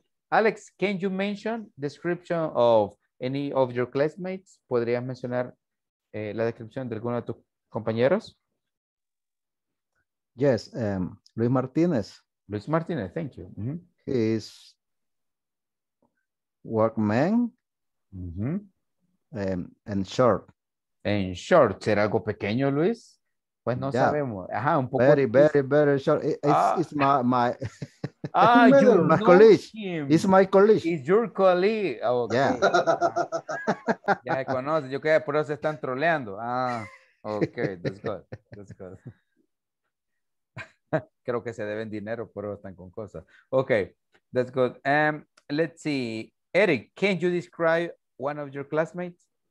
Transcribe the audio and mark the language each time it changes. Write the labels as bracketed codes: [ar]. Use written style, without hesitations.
[en] Alex, can you mention description of any of your classmates? [es] ¿Podrías mencionar la descripción de alguno de tus compañeros? [en] Yes, Luis Martínez. Luis Martínez, thank you. Mm-hmm. He's workman. Mm-hmm. And short. And short. [es] ¿Será algo pequeño, Luis? Pues no sabemos. Ajá, un poco. [en] Very, very, very short. It's my my. Ah, you my colleague. Him. It's my colleague. It's your colleague. Okay. Yeah. [es] Ya me conoces. Yo creo que por eso se están troleando. [en] Ah, okay, that's good. That's good. [es] Creo que se deben dinero, pero están con cosas. [en] Okay, that's good. Let's see. Eric, can you describe one of your classmates?